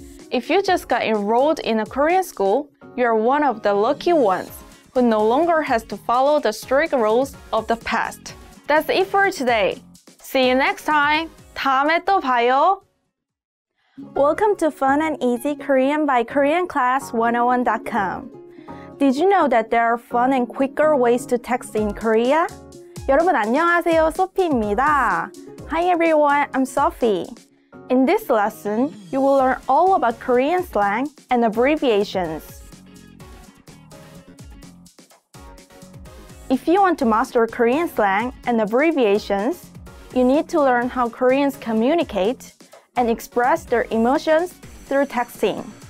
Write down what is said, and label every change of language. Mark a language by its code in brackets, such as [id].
[en] If you just got enrolled in a Korean school, you are one of the lucky ones who no longer has to follow the strict rules of the past. That's it for today. See you next time. [ko] 다음에 또 봐요. [en] Welcome to Fun and Easy Korean by KoreanClass101.com. Did you know that there are fun and quicker ways to text in Korea? [ko] 여러분 안녕하세요, 소피입니다. [en] Hi everyone, I'm Sophie. In this lesson, you will learn all about Korean slang and abbreviations. If you want to master Korean slang and abbreviations, you need to learn how Koreans communicate and express their emotions through texting.